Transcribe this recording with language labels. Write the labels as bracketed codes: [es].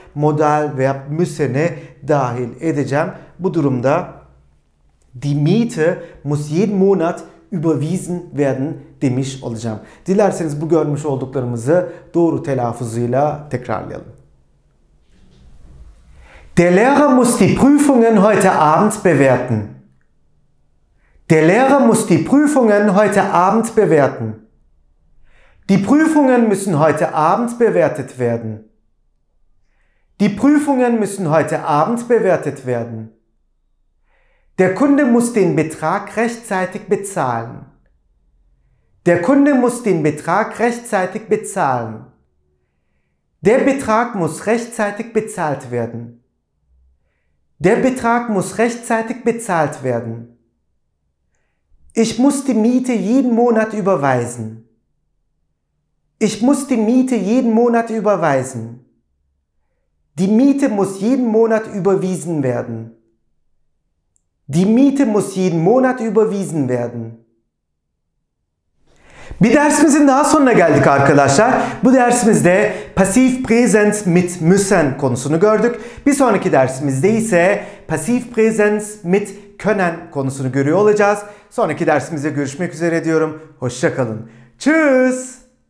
[tr] Modal veya müsene dahil edeceğim. Bu durumda [de] die Miete muss jeden Monat überwiesen werden [tr] demiş olacağım. Dilerseniz bu görmüş olduklarımızı doğru telaffuzuyla tekrarlayalım. [de] Der Lehrer muss die Prüfungen heute Abend bewerten. Der Lehrer muss die Prüfungen heute Abend bewerten. Die Prüfungen müssen heute Abend bewertet werden. Die Prüfungen müssen heute Abend bewertet werden. Der Kunde muss den Betrag rechtzeitig bezahlen. Der Kunde muss den Betrag rechtzeitig bezahlen. Der Betrag muss rechtzeitig bezahlt werden. Der Betrag muss rechtzeitig bezahlt werden. Ich muss die Miete jeden Monat überweisen. Ich muss die Miete jeden Monat überweisen. Die Miete muss jeden Monat überwiesen werden. Die Miete muss jeden Monat überwiesen werden. [tr] Bir dersimizin daha sonuna geldik arkadaşlar. Bu dersimizde pasif präsens mit müssen konusunu gördük. Bir sonraki dersimizde ise pasif präsens mit können konusunu görüyor olacağız. Sonraki dersimizde görüşmek üzere diyorum. Hoşça kalın. Tschüss.